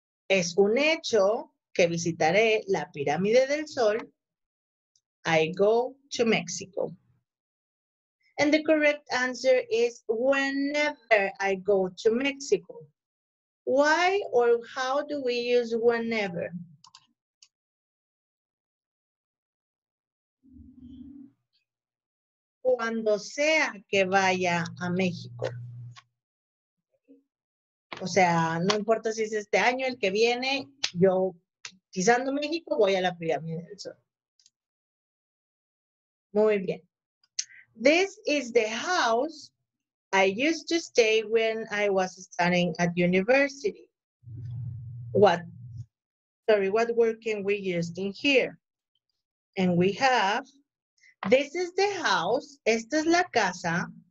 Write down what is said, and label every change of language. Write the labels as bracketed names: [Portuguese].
[Spanish] Es un hecho que visitaré la Pirámide del Sol. [English] I go to Mexico. And the correct answer is whenever I go to Mexico. Why or how do we use whenever? [Spanish] Cuando sea que vaya a México. O sea, no importa si es este año, el que viene, yo pisando México voy a la Pirámide del Sol. Muy bien. [English] This is the house I used to stay when I was studying at university. What word can we use in here? And we have, this is the house, [Spanish] esta es la casa.